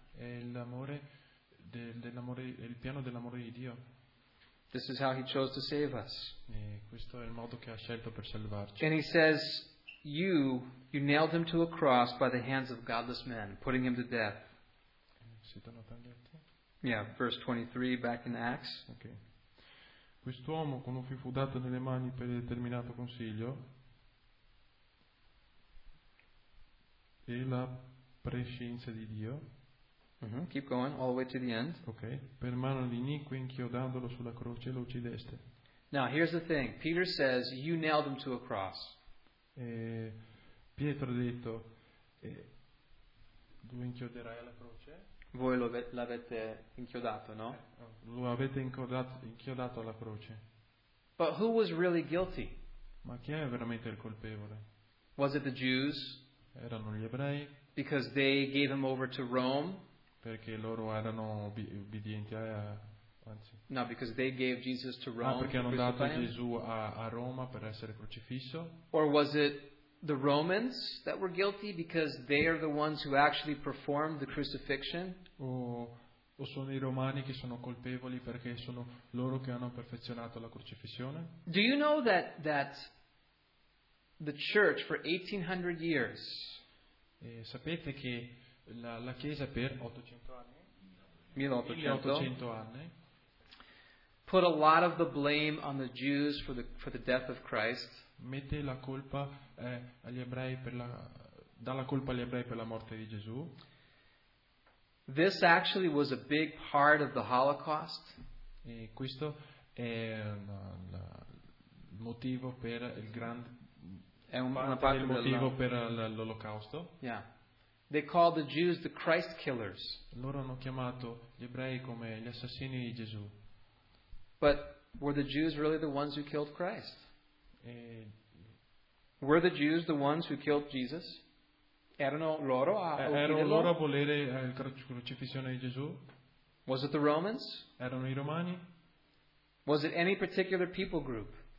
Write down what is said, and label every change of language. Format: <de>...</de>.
<it>È l'amore dell'amore, è il piano dell'amore di Dio.</it> <en>This is how he chose to save us.</en> <it>E questo è il modo che ha scelto per salvarci.</it> <en>And he says, you nailed him to a cross by the hands of godless men, putting him to death.</en> <it>Siete notati?</it> <en>Yeah, verse 23 back in Acts. Okay.</en> <it>quest'uomo con un fifo dato nelle mani per determinato consiglio e la prescienza di Dio. Mm-hmm.</it> <en>Keep going all the way to the end. Okay.</en> <it>Per mano di Nico inchiodandolo sulla croce lo uccideste.</it> <en>Now here's the thing. Peter says you nailed him to a cross.</en> <it>Pietro ha detto lo inchioderai alla croce. Voi l'avete inchiodato, no? Lo avete inchiodato alla croce.</it> <en>But who was really guilty?</en> <it>Ma chi è veramente il colpevole?</it> <en>Was it the Jews?</en> <it>Erano gli ebrei?</it> <en>Because they gave him over to Rome?</en> <it>Perché loro erano obbedienti a, anzi.</it> <en>No, because they gave Jesus to Rome.</en> <it>Ah, perché hanno dato Gesù a Roma per essere crocifisso?</it> <en>Or was it the Romans that were guilty because they are the ones who actually performed the crucifixion?</en> <it>O sono i romani che sono colpevoli perché sono loro che hanno perfezionato la crocifissione?</it> <en>Do you know that the church for 1800 years?</en> <it>Sapete che la chiesa per 800 anni? 1800 anni.</it> <en>Put a lot of the blame on the Jews for the death of Christ.</en> <it>Mette la colpa agli ebrei dà la colpa agli ebrei per la morte di Gesù.</it> <en>This actually was a big part of the Holocaust.</en> <it>E questo è il motivo per il grande è una parte del motivo per l'Olocausto.</it> <en>Yeah. They called the Jews the Christ killers.</en> <it>Loro hanno chiamato gli ebrei come gli assassini di Gesù.</it> <en>But were the Jews really the ones who killed Christ? Were the Jews the ones who killed Jesus?</en> <it>Erano loro a volere la crocifissione di Gesù?</it> <en>Was it the Romans?</en> <it>Erano i romani?</it> <en>Was it any particular people group?</en>